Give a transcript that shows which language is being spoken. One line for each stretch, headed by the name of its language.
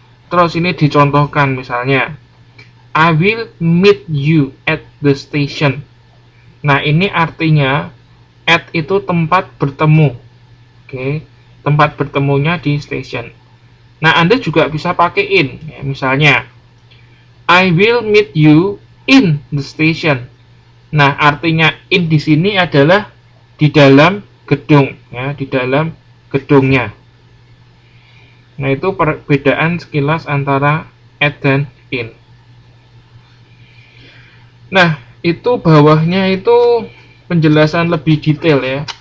Indonesian: Terus ini dicontohkan misalnya.
English: I will meet you at the station.
Indonesian: Nah, ini artinya at itu tempat bertemu. Oke, tempat bertemunya di station. Nah, Anda juga bisa pakai in, ya.
English: Misalnya, I will meet you in the station.
Indonesian: Nah, artinya in di sini adalah di dalam gedung, ya, di dalam gedungnya. Nah, itu perbedaan sekilas antara at dan in. Nah, itu bawahnya itu penjelasan lebih detail, ya.